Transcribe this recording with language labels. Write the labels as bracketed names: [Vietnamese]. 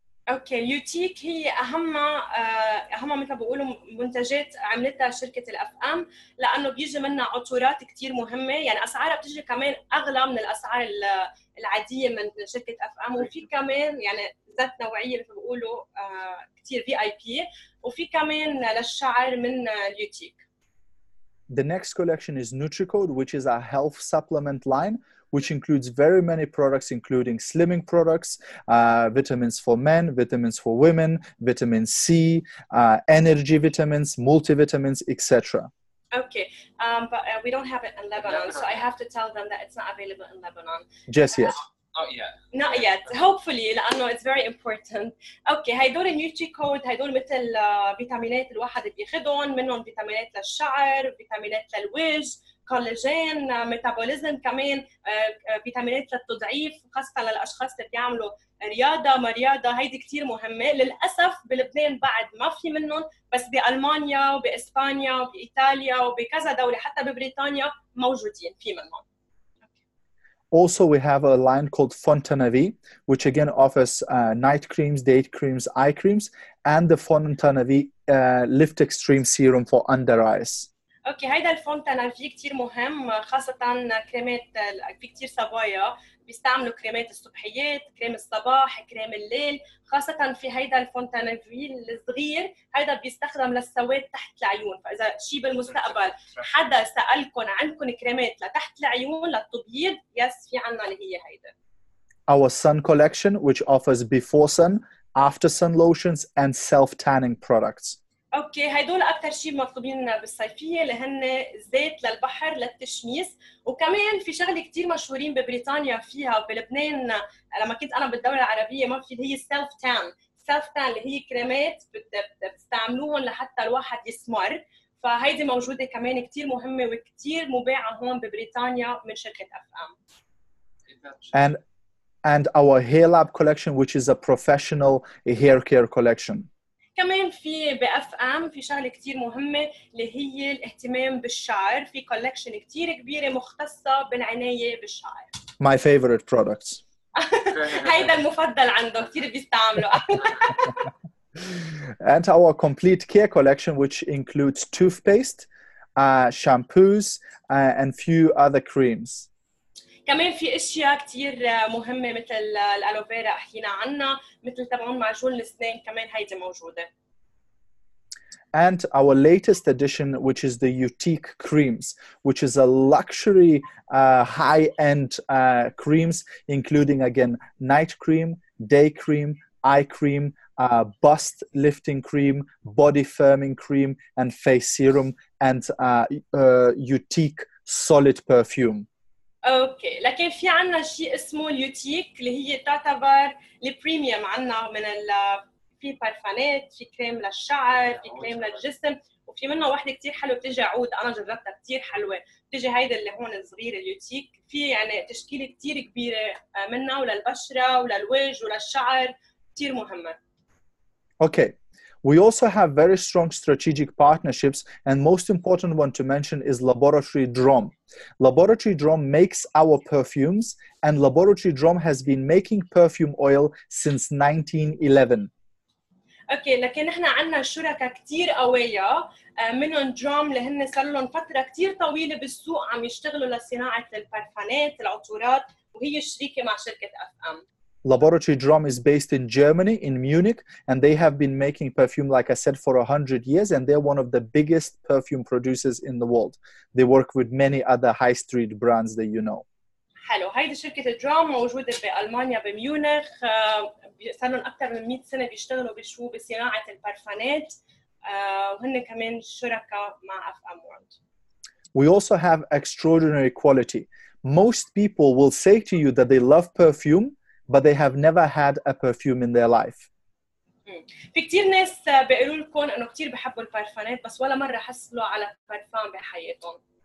[Arabic] Okay, يوتيك هي أهم مثل بقولوا منتجات عملتها شركة الأفئام, لأنه بيجي منها عطورات كتير مهمة, يعني أسعارها بتجي كمان أغلى من الأسعار العادية من شركة أفئام, وفي كمان يعني ذات نوعية مثل بقولوا كتير VIP, وفي كمان للشعر من يوتيك. [English] The next collection is NutriCode, which is our health supplement line, which includes very many products, including slimming products, vitamins for men, vitamins for women, vitamin C, energy vitamins, multivitamins, etc. Okay, but we don't have it in Lebanon, so I have to tell them that it's not available in Lebanon. Just yet. Not yet. Not yet. Hopefully, لأنه it's very important. [Arabic] Okay, هيدول NutriCode, هيدول مثل فيتامينات الواحد بياخدهم, منهم فيتامينات للشعر, فيتامينات للوجه, كولاجين, ميتابوليزم كمان, فيتامينات للتضعيف, خاصة للأشخاص اللي بيعملوا رياضة ما رياضة, هيدي كتير مهمة. للأسف بلبنان بعد ما في منهم, بس بألمانيا وبإسبانيا وبإيطاليا وبكذا دولة حتى ببريطانيا موجودين في منهم. [English] Also, we have a line called Fontanavi, which again offers night creams, day creams, eye creams, and the Fontanavi Lift Extreme Serum for under eyes. [Arabic] Okay, هيدا الفونتانافي كتير مهم, خاصة كريمات, في كتير صبايا بيستعملوا كريمات الصبحيات, كريم الصباح, كريم الليل, خاصة في هيدا الفونتانافي الصغير, هيدا بيستخدم للسواد تحت العيون, فإذا شي بالمستقبل حدا سألكن عنكن كريمات لتحت العيون للتبييض, يس في عنا اللي هي هيدا. [English] Our sun collection, which offers before sun, after sun lotions and self-tanning products. [Arabic] اوكي, هيدول اكثر شيء مطلوبين بالصيفيه اللي هن زيت للبحر للتشميس, وكمان في شغله كثير مشهورين ببريطانيا فيها, بلبنان لما كنت انا بالدوله العربيه ما في, هي سيلف تان. سيلف تان اللي هي كريمات بتستعملوهم لحتى الواحد يسمر, فهيدي موجوده كمان كثير مهمه وكثير مباعه هون ببريطانيا من شركه افئام. [English] And our hair lab collection, which is a professional hair care collection. [Arabic] كمان في بأفئام في شغلة كتير مهمة اللي هي الاهتمام بالشعر, في كولكشن كتير كبيرة مختصة بالعناية بالشعر. [English] My favorite products. [Arabic] هيدا المفضل عنده كتير بيستعمله. [English] And our complete care collection, which includes toothpaste, shampoos, and few other creams. [Arabic] كمان في اشياء كتير مهمه مثل الالوفيرا حكينا عنها, مثل تبعون معجون الاسنان كمان هيدي موجوده. [English] and our latest addition, which is the Utique creams, which is a luxury high-end creams, including, again, night cream, day cream, eye cream, bust lifting cream, body firming cream, and face serum, and Utique solid perfume. [Arabic] اوكي لكن في عنا شيء اسمه اليوتيك اللي هي تعتبر البريميوم عنا من ال في بارفانات في كريم للشعر في كريم للجسم وفي منه واحدة كتير حلوة بتجي عود انا جربتها كتير حلوة بتجي هيدا اللي هون صغير اليوتيك في يعني تشكيلة كتير كبيرة منه وللبشرة وللوجه وللشعر كتير مهمة [English] Okay We also have very strong strategic partnerships, and most important one to mention is Laboratory Drom. Laboratory Drom makes our perfumes, and Laboratory Drom has been making perfume oil since 1911. [Arabic] Okay, لكن احنا عنا شركة كتير قوية منهم Drom اللي هن صارلهم فترة كتير طويلة بالسوق عم يشتغلوا لصناعة البارفانات العطورات وهي شريكة مع شركة FM. [English] Laboratory Drom is based in Germany, in Munich, and they have been making perfume, like I said, for 100 years, and they're one of the biggest perfume producers in the world. They work with many other high street brands that you know. [Arabic] Hello, هاي شركة Drom موجودة بألمانيا بميونخ. صاروا أكثر من 100 سنة بيشتغلوا بشو بصناعة البارفانات. وهن كمان شركة مع FM World. [English] We also have extraordinary quality. Most people will say to you that they love perfume, but they have never had a perfume in their life. [Arabic] في كتير ناس بيقولوا لكم انه كتير بحبوا البارفانات بس ولا مره حصلوا على بارفان بحياتهم.